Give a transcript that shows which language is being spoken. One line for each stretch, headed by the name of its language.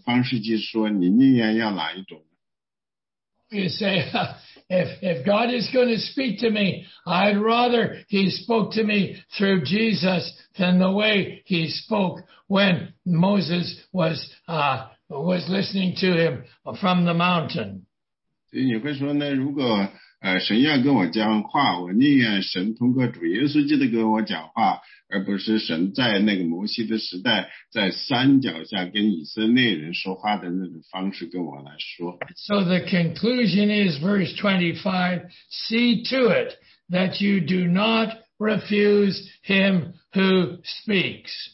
Chinese: 所以呢，神说呢，现在我要对你们讲话，或者是说呢，用那个当时对摩西那个年代对以色列人说话的那种方式去跟你们说，或者是说由主耶稣基督来跟你们说话的那种方式去说，你宁愿要哪一种呢？
English: You say, if God is going to speak to me, I'd rather he spoke to me through Jesus than the way he spoke when Moses was listening to him from the mountain.
Chinese: 所以你会说呢，如果 神要跟我讲话，我宁愿神通过主耶稣基督跟我讲话，而不是神在那个摩西的时代，在山脚下跟以色列人说话的那种方式跟我来说。
English: So the conclusion is verse 25, see to it that you do not refuse him who speaks.